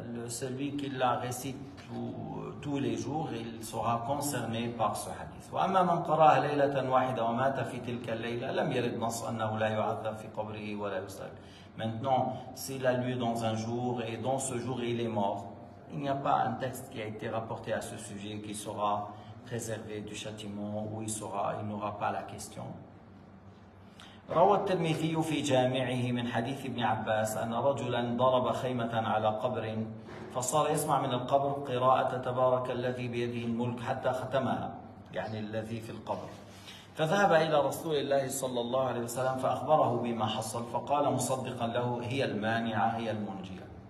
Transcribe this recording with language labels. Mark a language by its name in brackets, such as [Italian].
[French] Celui qui la récite tous les jours, il sera concerné par ce hadith. [Arabic] واما من قرأها ليلة واحدة ومات في تلك الليلة لم يرد نص انه لا يعذب في قبره ولا يسأل. [French] Maintenant, s'il a lu dans un jour et dans ce jour il est mort, il n'y a pas un texte qui a été rapporté à ce sujet qui sera préservé du châtiment ou il n'aura pas la question. [Arabic] روى الترمذي في جامعه من حديث ابن عباس أن رجلا ضرب خيمة على قبر فصار يسمع من القبر قراءة تبارك الذي بيده الملك حتى ختمها، يعني الذي في القبر. فذهب إلى رسول الله صلى الله عليه وسلم فأخبره بما حصل، فقال مصدقا له: هي المانعة، هي المنجية.